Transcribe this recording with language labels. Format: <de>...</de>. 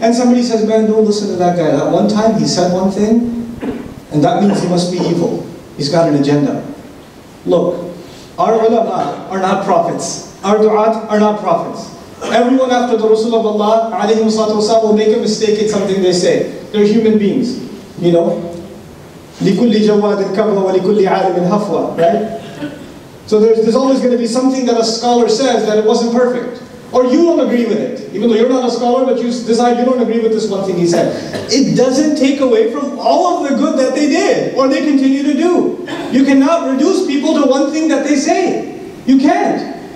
<en>And somebody says, "Man, don't listen to that guy. That one time he said one thing, and that means he must be evil. He's got an agenda." Look, our ulama are not prophets. Our du'at are not prophets. Everyone after the Rasul of Allah alayhi wasallam will make a mistake in something they say. They're human beings, you know?</en> <ar>لِكُلِّ جَوَّادٍ كَبْلَ وَلِكُلِّ عَالِمٍ هَفْوَةٍ, right?</ar> <en>So there's always going to be something that a scholar says that it wasn't perfect. Or you don't agree with it. Even though you're not a scholar, but you decide you don't agree with this one thing he said. It doesn't take away from all of the good that they did, or they continue to do. You cannot reduce people to one thing that they say. You can't.</en>